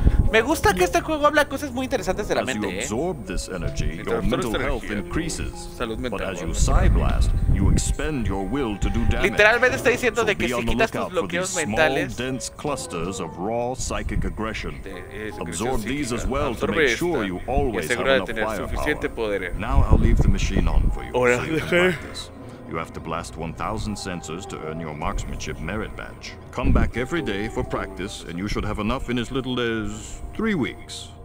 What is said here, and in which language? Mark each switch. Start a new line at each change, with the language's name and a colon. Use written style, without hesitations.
Spanish: Me gusta que este juego habla cosas muy interesantes de la mente,
English: As you absorb this energy, your mental health increases.
Spanish: Salud mental.
English: But as you psyblast, you expend your will to do damage.
Spanish: Literalmente está diciendo de que si quitas tus bloqueos mentales,
English: small, dense clusters of raw psychic aggression. Absorb these as well to make sure you always have enough firepower. Now I'll leave the machine on for you.
Spanish: Ahora dejaré.
English: You have to blast 1,000 sensors to earn your marksmanship merit badge. Come back every day for practice, and you should have enough in as little as 3 weeks.